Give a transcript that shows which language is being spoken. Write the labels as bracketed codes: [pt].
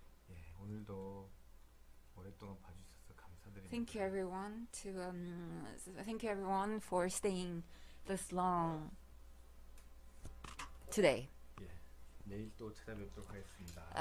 [ko] 예 오늘도 오랫동안 봐주셔서 감사드립니다. [en] Thank you everyone to thank you everyone for staying this long today. [ko] 예, 내일 또 찾아뵙도록 하겠습니다.